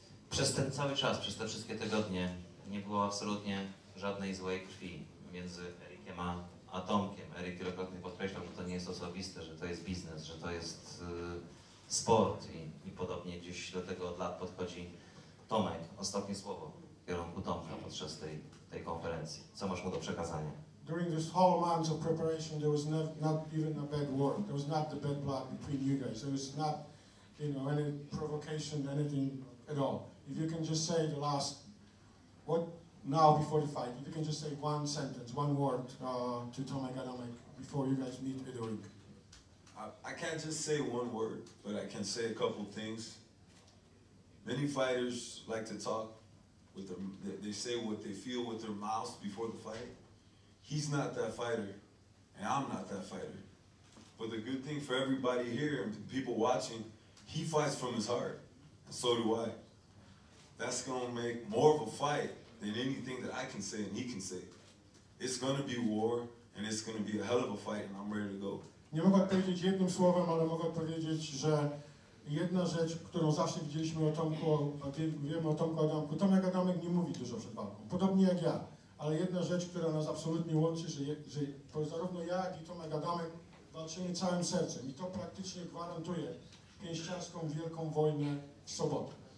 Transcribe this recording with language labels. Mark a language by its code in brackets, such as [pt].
[pl] Przez ten cały czas, przez te wszystkie tygodnie nie było absolutnie żadnej złej krwi między Erikiem a Tomkiem. Erik wielokrotnie podkreślał, że to nie jest osobiste, że to jest biznes, że to jest sport i podobnie gdzieś do tego od lat podchodzi Tomek. Ostatnie słowo w kierunku Tomka podczas tej konferencji. Co masz mu do przekazania? [en] During this whole month of preparation, there was not even a bad word. There was not the bad blood between you guys. There was not, you know, any provocation, anything at all. If you can just say the last, what now before the fight, if you can just say one sentence, one word to Tomek Adamek before you guys meet at the ring. I can't just say one word, but I can say a couple things. Many fighters like to talk with them. They say what they feel with their mouths before the fight. He's not that fighter, and I'm not that fighter. But the good thing for everybody here and people watching, he fights from his heart, and so do I. That's going to make more of a fight than anything that I can say and he can say. It's going to be war, and it's going to be a hell of a fight, and I'm ready to go. [pl] Nie mogę powiedzieć jednym słowem, ale mogę powiedzieć, że jedna rzecz, którą zawsze widzieliśmy o Tomku, wiemy o Tomku Adamku, Tomek Adamek nie mówi dużo przed walką, podobnie jak ja. Ale jedna rzecz, która nas absolutnie łączy, że to zarówno ja, jak i Tomek Adamek walczymy całym sercem. I to praktycznie gwarantuje pięściarską wielką wojnę w sobotę.